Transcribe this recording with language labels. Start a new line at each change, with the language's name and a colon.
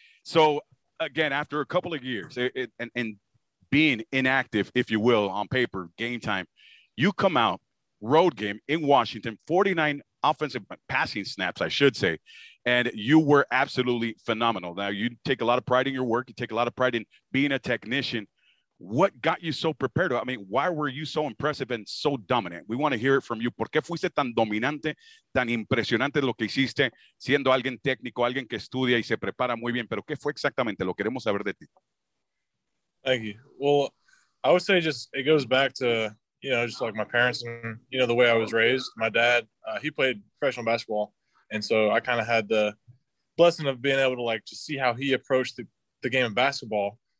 English: So, again, after a couple of years and being inactive, if you will, on paper, game time, you come out road game in Washington, 49 offensive passing snaps, I should say. And you were absolutely phenomenal. Now, you take a lot of pride in your work. You take a lot of pride in being a technician. What got you so prepared? I mean, why were you so impressive and so dominant? We want to hear it from you.
Spanish: ¿Por qué fuiste tan dominante, tan impresionante lo que hiciste, siendo alguien técnico, alguien que estudia y se prepara muy bien? ¿Pero qué fue exactamente? Lo queremos saber de ti.
English: Thank you. Well, I would say just it goes back to, you know, just like my parents and, you know, the way I was raised. My dad, he played professional basketball. And so I kind of had the blessing of being able to, like, just see how he approached the game of basketball.